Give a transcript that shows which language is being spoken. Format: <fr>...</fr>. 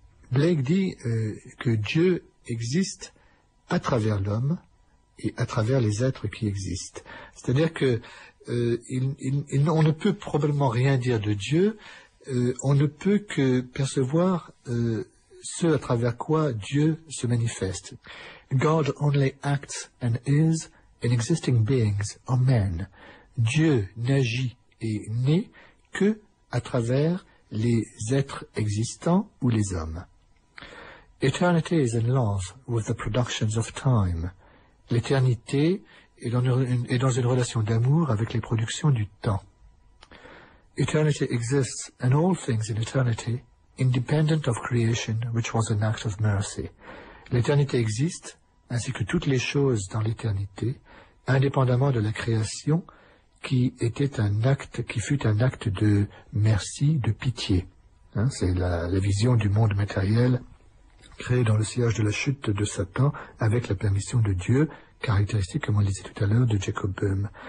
<fr>Blake dit que Dieu existe à travers l'homme et à travers les êtres qui existent. C'est-à-dire que on ne peut probablement rien dire de Dieu, on ne peut que percevoir ce à travers quoi Dieu se manifeste.</fr> <en>God only acts and is in existing beings or men.</en> <fr>Dieu n'agit et n'est que à travers les êtres existants ou les hommes.</fr> <en>Eternity is in love with the productions of time.</en> <fr>L'éternité est dans une relation d'amour avec les productions du temps.</fr> <en>Eternity exists and all things in eternity, independent of creation, which was an act of mercy.</en> <fr>L'éternité existe, ainsi que toutes les choses dans l'éternité, indépendamment de la création, qui était un acte, qui fut un acte de merci, de pitié. Hein, c'est la vision du monde matériel créé dans le sillage de la chute de Satan avec la permission de Dieu, caractéristique, comme on le disait tout à l'heure, de Jacob Böhm.</fr>